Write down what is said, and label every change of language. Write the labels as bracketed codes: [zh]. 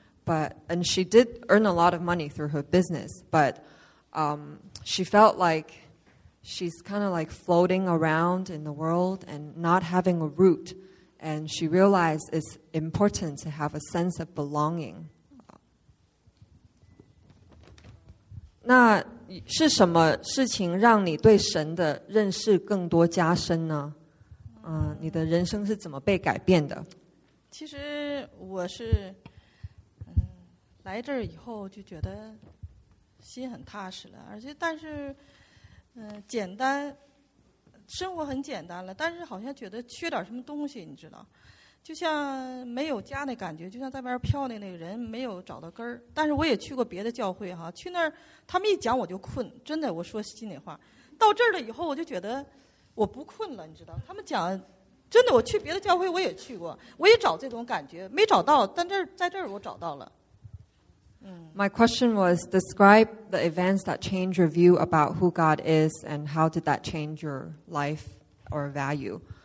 [en] And she did earn a lot of money through her business. But she felt like she's kind of like floating around in the world and not having a root. And she realized it's important to have a sense of belonging. [zh] 那是什么事情让你对神的认识更多加深呢？你的人生是怎么被改变的？其实我是来这儿以后就觉得心很踏实了，而且但是简单生活很简单了，但是好像觉得缺点什么东西，你知道，就像没有家的感觉，就像在外边飘的那个人没有找到根儿。但是我也去过别的教会哈，去那儿他们一讲我就困，真的，我说心里话，到这儿了以后我就觉得我不困了，你知道，他们讲真的，我去别的教会我也去过，我也找这种感觉没找到，但这在这儿我找到了。 [en] My question was, describe the events that change your view about who God is and how did that change your life or value.